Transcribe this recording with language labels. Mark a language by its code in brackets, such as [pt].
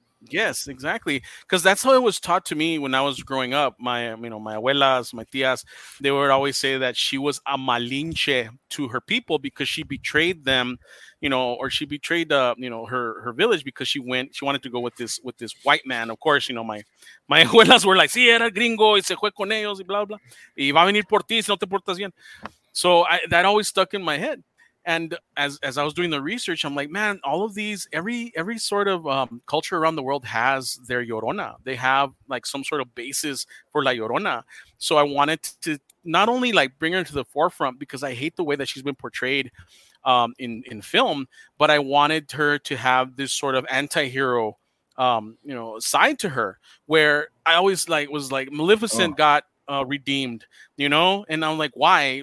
[en] Yes, exactly. Because that's how it was taught to me when I was growing up. My, you know, my abuelas, my tías, they would always say that she was a Malinche to her people because she betrayed them, you know, or she betrayed, you know, her village because she wanted to go with this white man. Of course, you know, my abuelas were like, [es] sí, era gringo, y se fue con ellos, y blah, blah. Y va a venir por ti, si no te portas bien. [en] So that always stuck in my head. And as I was doing the research, I'm like, man, all of these, every sort of culture around the world has their Llorona. They have like some sort of basis for La Llorona. So I wanted to not only like bring her to the forefront because I hate the way that she's been portrayed in film, but I wanted her to have this sort of anti-hero, you know, side to her where I always like was like Maleficent got redeemed, you know, and I'm like, why?